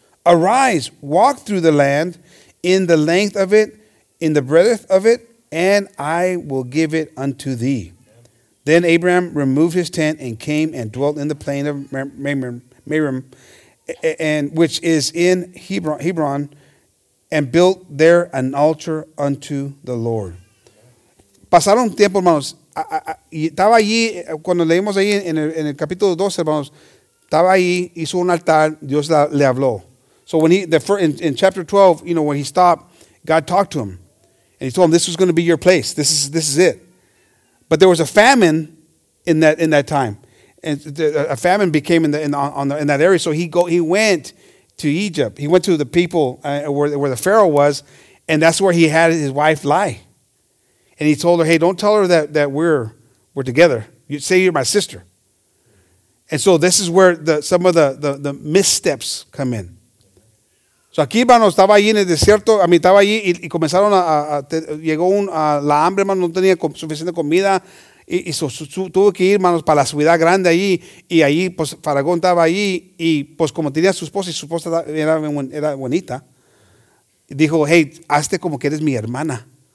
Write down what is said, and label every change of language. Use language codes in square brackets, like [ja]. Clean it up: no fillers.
[en] Arise, walk through the land in the length of it, in the breadth of it, and I will give it unto thee. Then Abraham removed his tent and came and dwelt in the plain of Mamre, and which is in Hebron, and built there an altar unto the Lord. [es] Pasaron tiempo, hermanos. Y estaba allí, cuando leímos ahí en el capítulo 12, hermanos, estaba allí, hizo un altar, Dios le habló. [en] So when in chapter 12, you know, when he stopped, God talked to him. And he told him, this was going to be your place. This is it. But there was a famine in that time. And a famine became in that area. So he went to Egypt. He went to the people where the Pharaoh was. And that's where he had his wife lie. And he told her, hey, don't tell her that we're together. You say you're my sister. And so this is where some of the missteps come in. [es] So aquí, hermano, estaba allí en el desierto. I mean, estaba allí y comenzaron a la hambre, hermano. No tenía suficiente comida. Y tuvo que ir, hermano, para la ciudad grande allí. Y ahí, pues, Faraón estaba allí. Y, pues, como tenía su esposa, y su esposa era bonita, dijo, hey, hazte como que eres mi hermana.